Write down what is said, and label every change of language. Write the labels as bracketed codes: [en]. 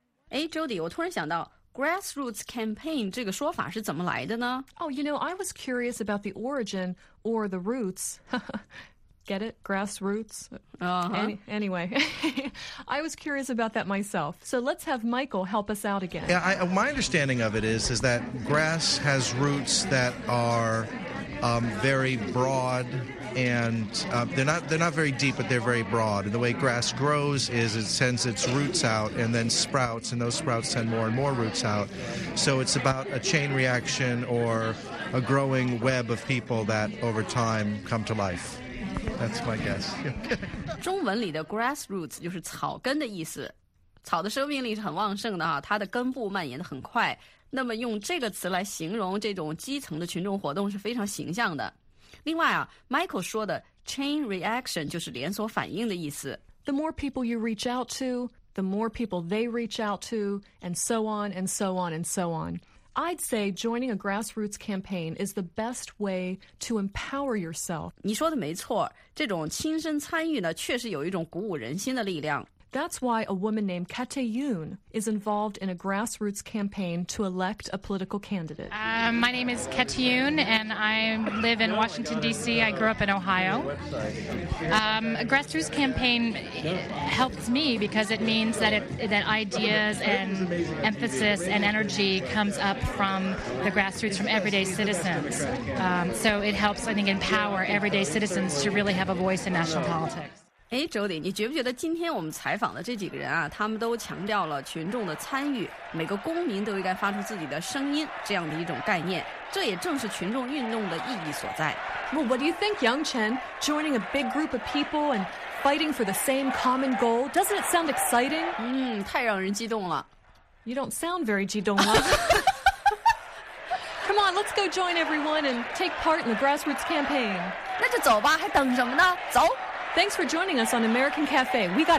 [zh] Hey, Jody, 我突然想到 grassroots campaign 这个说法是怎么来的呢 [en] ？Oh, you know, I was curious about the origin or the roots. Get it? Grassroots? Anyway, I was curious about that myself. So let's have Michael help us out again. Yeah, my understanding of it is that grass has roots that are very broad and they're not very deep, but they're very broad. And the way grass grows is it sends its roots out and then sprouts, and those sprouts send more and more roots out. So it's about a chain reaction or a growing web of people that over time come to life. That's my guess. [zh] 中文里的 grassroots 就是草根的意思，草的生命力是很旺盛的啊，它的根部蔓延的很快。那么用这个词来形容这种基层的群众活动是非常形象的。另外啊 ，Michael 说的 chain reaction 就是连锁反应的意思。 [en] The more people you reach out to, the more people they reach out to, and so on and so on and so on. I'd say joining a grassroots campaign is the best way to empower yourself. [zh] 你说的没错，这种亲身参与呢，确实有一种鼓舞人心的力量。 [en] That's why a woman named Kate Yoon is involved in a grassroots campaign to elect a political candidate. My name is Kate Yoon, and I live in Washington, D.C. I grew up in Ohio. A grassroots campaign helps me because it means that, that ideas and emphasis and energy comes up from the grassroots, from everyday citizens. So it helps, I think, empower everyday citizens to really have a voice in national politics. [zh] 哎 ，Jody， 你觉不觉得今天我们采访的这几个人啊，他们都强调了群众的参与，每个公民都应该发出自己的声音这样的一种概念，这也正是群众运动的意义所在。 [en] Well, what do you think, Yang Chen? Joining a big group of people and fighting for the same common goal, doesn't it sound exciting? [zh] 嗯，太让人激动了。 [en] You don't sound very 激动了。 Come on, let's go join everyone and take part in the grassroots campaign. [zh] 那就走吧，还等什么呢？走。 [en] Thanks for joining us on American Cafe. We gotta go.